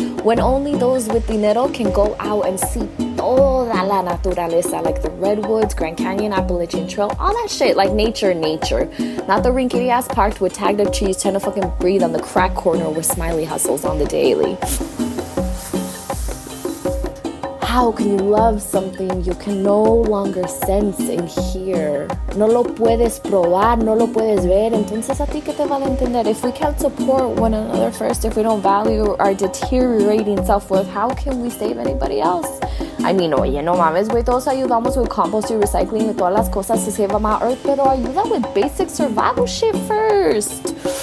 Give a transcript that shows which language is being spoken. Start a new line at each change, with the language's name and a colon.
English: When only those with dinero can go out and see
Spanish: toda la naturaleza,
English: like the Redwoods, Grand Canyon, Appalachian Trail, all that shit, like nature. Not the rinky ass parked with tagged up cheese trying to fucking breathe on the crack corner where Smiley hustles on the daily. How can you love something you can no longer sense and hear?
Spanish: No lo puedes probar, no lo puedes ver. Entonces, ¿a ti qué te vale entender?
English: If we can't support one another first, if we don't value our deteriorating self-worth, how can we save anybody else? I mean,
Spanish: oye, no mames, güey, todos ayudamos
English: with compost y recycling
Spanish: y todas las cosas
English: to save our earth,
Spanish: pero ayuda
English: with basic survival shit first.